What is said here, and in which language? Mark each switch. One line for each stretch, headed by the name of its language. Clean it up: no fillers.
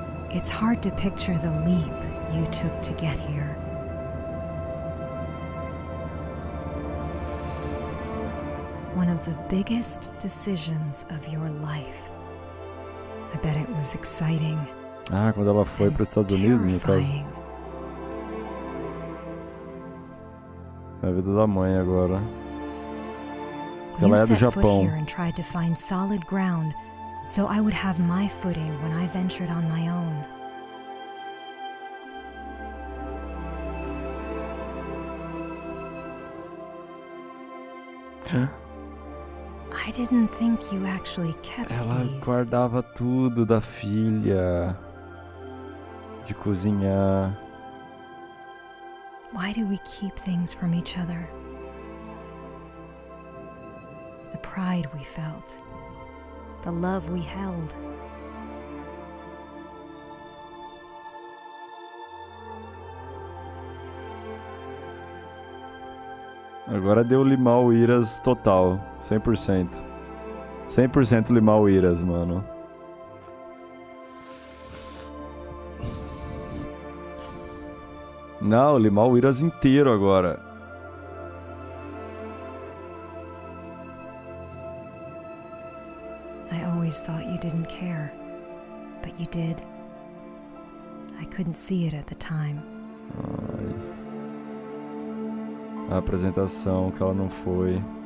English: It's hard to picture the leap you took to get here. One of the biggest decisions of your life. I bet it was exciting.
Portuguese: Ah, quando ela foi para os Estados Unidos, no caso. É a vida da mãe agora. Porque ela é do Japão.
English: You set foot here and tried to find solid ground so I would have my footing when I ventured on my own. I didn't think you actually kept
Portuguese: ela
English: these.
Portuguese: Ela guardava tudo da filha. De cozinhar.
English: Why do we keep things from each other? The pride we felt. The love we held.
Portuguese: Agora deu limau iras total, 100%. 100% limau iras, mano. Não, limau iras inteiro agora.
English: I always thought you didn't care, but you did. I couldn't see it at the time.
Portuguese: A apresentação que ela não foi.